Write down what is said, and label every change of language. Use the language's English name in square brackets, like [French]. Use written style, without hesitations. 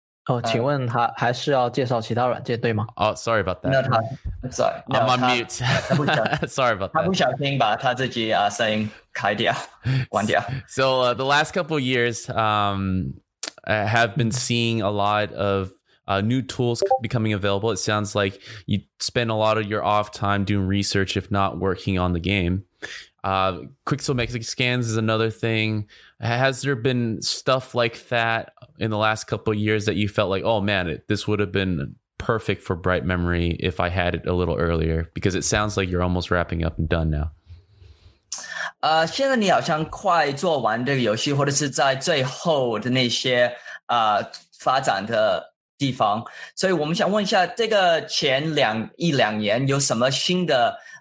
[Chinese] Oh, 请问他还是要介绍其他软件对吗？ [English] Oh, sorry about that. No, I'm sorry. No, I'm on mute. Sorry about that. [Chinese] 他不小心把他自己 声音开掉，关掉。 [English] So the last couple of years, I have been seeing a lot of new tools becoming available. It sounds like you spend a lot of your off time doing research, if not working on the game. Quixel Scans is another thing. Has there been stuff like that in the last couple of years that you felt like, oh man, this would have been perfect for Bright Memory if I had it a little earlier? Because it sounds like you're almost wrapping up and done now. [Chinese] 现在你好像快做完这个游戏，或者是在最后的那些发展的地方，所以我们想问一下，这个前两年有什么新的？